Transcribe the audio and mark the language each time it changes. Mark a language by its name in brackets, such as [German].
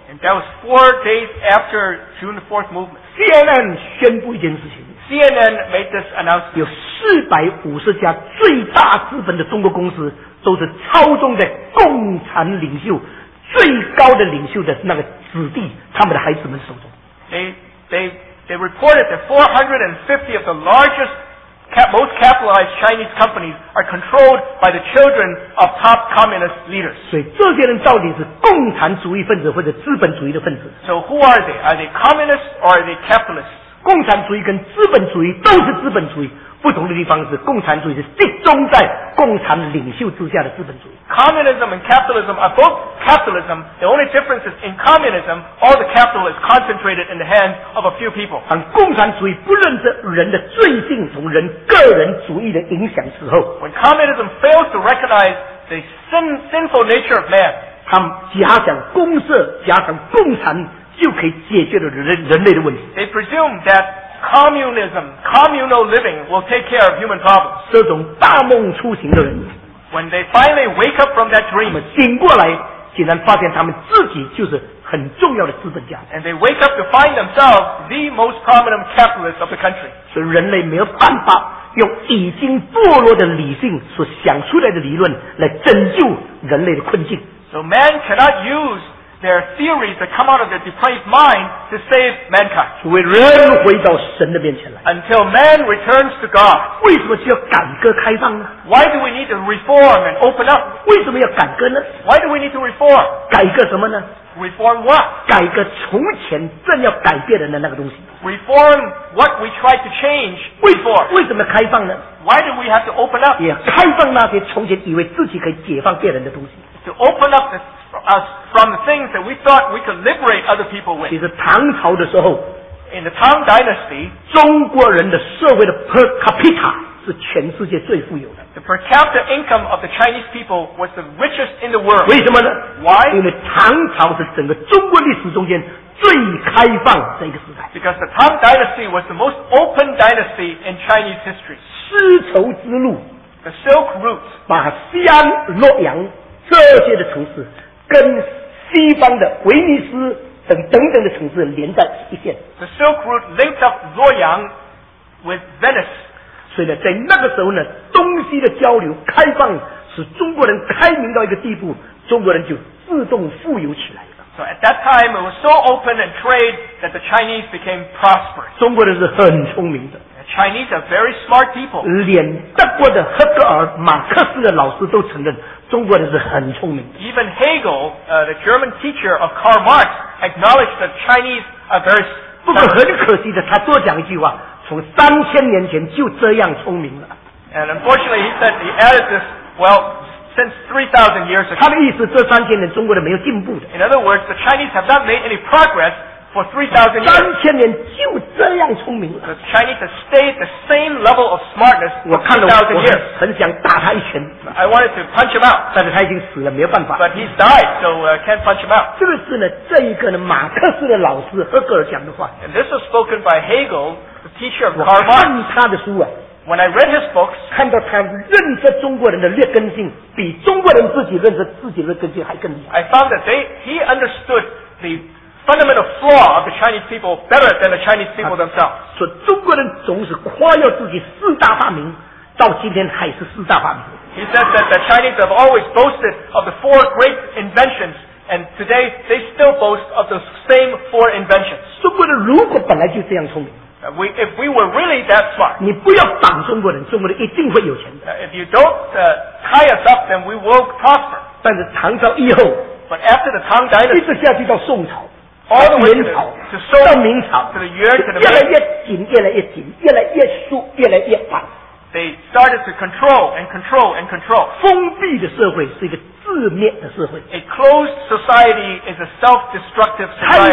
[English] And that was 4 days after June the 4th movement. [Chinese] CNN 宣布一件事情。 [English] CNN made this announcement. [Chinese] 有450家最大资本的中国公司都是操纵在共产领袖最高的领袖的那个子弟他们的孩子们手中。 [English] They reported that 450 of the largest, most capitalized Chinese companies are controlled by the children of top communist leaders. [Chinese] 所以这些人到底是共产主义分子或者资本主义的分子。 [English] So who are they? Are they communists or are they capitalists? [Chinese] 共产主义跟资本主义都是资本主义，不同的地方是共产主义是集中在共产领袖之下的资本主义。 [English] Communism and capitalism are both capitalism. The only difference is in communism, all the capital is concentrated in the hands of a few people. [Chinese] 当共产主义不认识人的罪性从人个人主义的影响之后 [English] ，When communism fails to recognize the sinful nature of man， [Chinese] 他们假想公社假想共产就可以解决了 人类的问题。 [English] They presume that communism, communal living will take care of human problems. [Chinese] 这种大梦初醒的人 [English] When they finally wake up from that dream, [Chinese] 他们醒过来竟然发现他们自己就是很重要的资本家。 [English] And they wake up to find themselves the most prominent capitalist of the country. [Chinese] 所以人类没有办法用已经堕落的理性所想出来的理论来拯救人类的困境。 [English] So man cannot use their theories that come out of their depraved mind to save mankind. [Chinese] 除非人回到神的面前来。 [English] Until man returns to God. [Chinese] 为什么需要改革开放呢？ [English] Why do we need to reform and open up? [Chinese] 为什么要改革呢？ [English] Why do we need to reform? [Chinese] 改革什么呢？ [English] Reform what? [Chinese] 改革从前正要改变人的那个东西。 [English] Reform what we tried to change before. [Chinese] 为什么开放呢？ [English] Why do we have to open up? [Chinese] 也开放那些从前以为自己可以解放别人的东西。 [English] To open up us from the things that we thought we could liberate other people with. [Chinese] 其实唐朝的时候 [English] In the Tang Dynasty, [Chinese] 中国人的社会的 per capita 是全世界最富有的。 [English] The per capita income of the Chinese people was the richest in the world. [Chinese] 为什么呢？ [English] Why? [Chinese] 因为唐朝是整个中国历史中间最开放的一个时代。 [English] Because the Tang Dynasty was the most open dynasty in Chinese history. [Chinese] 丝绸之路 [English] The Silk Route. [Chinese] 把西安洛阳这些的城市跟西方的威尼斯等等等的城市连在一线。 [English] The Silk Route linked up Luoyang with Venice. [Chinese] 所以呢，在那个时候呢，东西的交流开放使中国人开明到一个地步，中国人就自动富有起来了。 [English] So at that time, it was so open and trade that the Chinese became prosperous. [Chinese] 中国人是很聪明的。 [English] Chinese are very smart people. [Chinese] 连德国的赫格尔、马克思的老师都承认。中国人是很聪明的。 [English] Even Hegel, the German teacher of Karl Marx, acknowledged that Chinese are very smart. [Chinese] 不过很可惜的，他多讲一句话，从三千年前就这样聪明了。 [English] And unfortunately, he said he added this, well, since 3,000 years ago. [Chinese] 他的意思，这三千年中国人没有进步的。 [English] In other words, the Chinese have not made any progress for 3,000 years. [Chinese] 三千年就这样聪明了。 [English] The Chinese have stayed the same level of smartness for 3,000 years. [Chinese] 我很想打他一拳。 [English] I wanted to punch him out. [Chinese] 但是他已经死了，没有办法。 [English] But he's died, so can't punch him out. [Chinese] 这个是呢，这一个呢，马克思的老师赫格尔讲的话。 [English] And this was spoken by Hegel, the teacher of Karl Marx. [Chinese] 我看他的书啊。 [English] When I read his books, [Chinese] 看到他认识中国人的劣根性，比中国人自己认识自己的劣根性还更厉害。 [English] I found that he understood the fundamental flaw of the Chinese people better than the Chinese people themselves. [Chinese] 说中国人总是夸耀自己四大发明，到今天还是四大发明。 [English] He says that the Chinese have always boasted of the four great inventions, and today they still boast of the same four inventions. [Chinese] 中国人如果本来就这样聪明。 [English] If we were really that smart, [Chinese] 你不要绑中国人，中国人一定会有钱的。 [English] If you don't tie us up, then we will prosper. [Chinese] 但是唐朝以后 [English] But after the Tang Dynasty, [Chinese] 一直下去到宋朝 [English] all the way [Chinese] 到元朝 [English] to Song, [Chinese] 到明朝 [English] to the year, to the [Chinese] 越来越紧越来越紧越来越疏越来越绑 [English] They started to control and control and control. [Chinese] 封闭的社会是一个自灭的社会。 [English] A closed society is a self-destructive society.